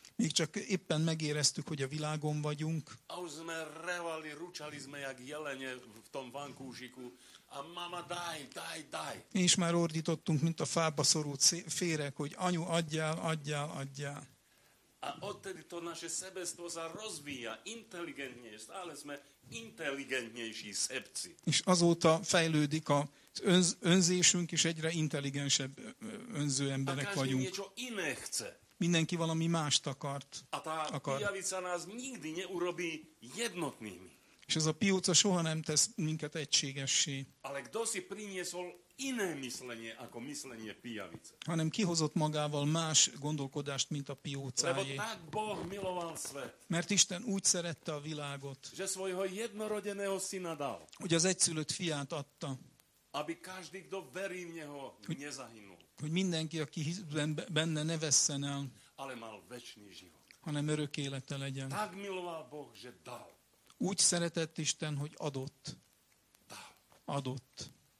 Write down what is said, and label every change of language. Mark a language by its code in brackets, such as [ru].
[hu] Még csak éppen megéreztük, hogy a világon vagyunk. [sk] A už sme revali, ručali sme jak jelene v tom vankúžiku. A mama, daj, daj, daj. [hu] És már ordítottunk, mint a fába szorult férek, hogy anyu, adjál, adjál, adjál. [sk] A odtedy to naše sebestvo sa rozvíja inteligentne, stále sme inteligentnejší sebci. [hu] És azóta fejlődik az önzésünk, és egyre inteligensebb önző emberek vagyunk. [sk] A každý niečo iné chce. [hu] Mindenki valami mást akart. [sk] A tá pijavica nás nikdy neurobí jednotnými. [hu] És ez a pióca soha nem tesz minket egységessé. [sk] Ale kdo si priniesol iné myslenie, ako myslenie pijavice? [hu] Hanem kihozott magával más gondolkodást, mint a piócájé. [sk] Lebo tak Boh miloval svet. [hu] Mert Isten úgy szerette a világot. [sk] Že svojho jednorodeného syna dal. [hu] Hogy az egyszülött fiát adta. [sk] Aby každý, kdo verí v neho, nezahynul. [hu] Hogy mindenki, aki benne ne vesszen el. [sk] Ale mal večný život. [hu] Hanem örök élete legyen. [sk] Tak miloval Boh, že dal. [hu] Úgy szeretett Isten, hogy adott. Adott.